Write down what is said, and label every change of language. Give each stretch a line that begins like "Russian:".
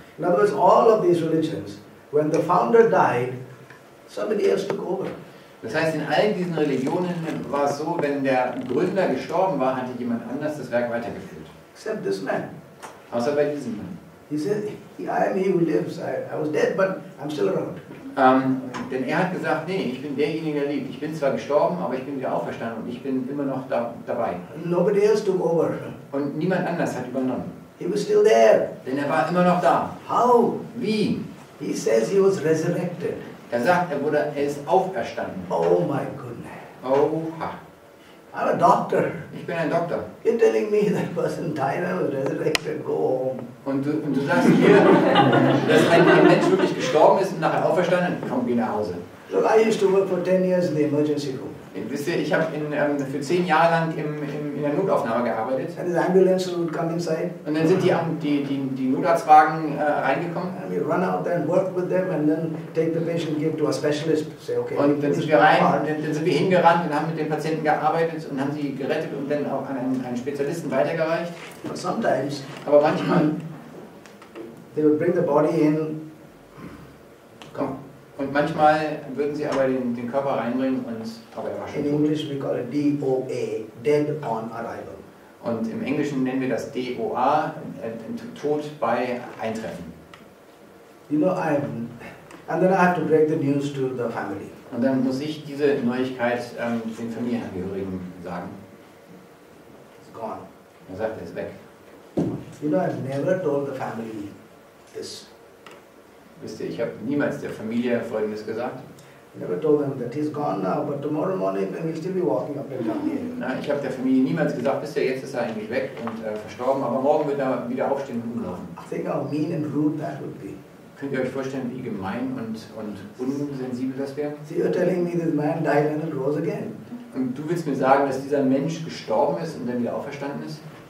English: In other words, all of these religions, when the founder died, somebody else took over.
German: Das heißt, in all diesen Religionen war es so, wenn der Gründer gestorben war, hatte jemand anders das Werk weitergeführt.
English: Except this man.
German: Außer bei diesem Mann.
English: He said, I am he who lives. I was dead, but I'm still around.
German: Denn er hat gesagt, nee, ich bin derjenige, der lebt. Ich bin zwar gestorben, aber ich bin wieder auferstanden und ich bin immer noch dabei.
English: Nobody else took over.
German: Und niemand anders hat übernommen.
English: He was still there.
German: Denn er war immer noch da.
English: How?
German: Wie?
English: He says he was resurrected.
German: Er sagt, er ist auferstanden.
English: Oh my goodness.
German: Oha.
English: I'm a doctor.
German: Ich bin ein Doktor.
English: You're telling me that person died and was resurrected, go home.
German: Und du sagst hier, dass ein Mensch wirklich gestorben ist und nachher auferstanden, komm, geh nach Hause.
English: Look, I used to work for 10 years in the emergency room.
German: Wisst ihr, ich habe für 10 Jahre lang in der Notaufnahme gearbeitet.
English: And the ambulance would come inside.
German: Und dann sind die Notarztwagen reingekommen.
English: And we run out there and work with them and then take the patient, give to a specialist, say okay.
German: Und dann sind wir rein, dann sind wir hingerannt und haben mit den Patienten gearbeitet und haben sie gerettet und dann auch an einen Spezialisten weitergereicht.
English: But sometimes.
German: Aber manchmal.
English: They would bring the body in.
German: Komm. Und manchmal würden sie aber den Körper reinbringen und aber er war schon tot.
English: In English we call it DOA, dead on arrival.
German: Und im Englischen nennen wir das DOA, tot bei Eintreffen.
English: You know, and then I have to break the news to the family.
German: Und dann muss ich diese Neuigkeit den Familienangehörigen sagen.
English: It's gone.
German: Er sagt, er ist weg.
English: You know, I've never told the family this.
German: Wisst ihr, ich habe niemals der Familie Folgendes gesagt.
English: Never told them that he's gone now, but tomorrow morning we'll still be walking up and down here.
German: Nein, ich habe der Familie niemals gesagt, bis jetzt ist er eigentlich weg und verstorben, aber morgen wird er wieder aufstehen und umlaufen.
English: I think how mean and rude that would be.
German: Könnt ihr euch vorstellen, wie gemein und unsensibel das wäre?
English: See, you're telling me this man died and it rose again.
German: Und du willst mir sagen, dass dieser Mensch gestorben ist und dann wieder auferstanden ist?